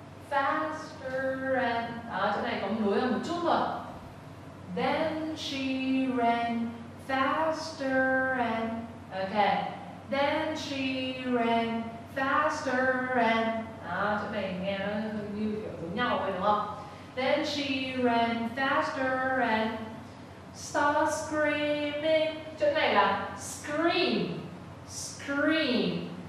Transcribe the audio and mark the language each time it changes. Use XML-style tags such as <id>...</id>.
<en>Faster and</en> <vi>chỗ này có nối hơn một chút rồi.</vi> <en>Then she ran faster and okay. Then she ran faster and</en> <vi>chỗ này nghe nó hơi như kiểu giống nhau vậy đúng không?</vi> <en>Then she ran faster and start screaming.</en> <vi>Chỗ này là scream, scream.</vi>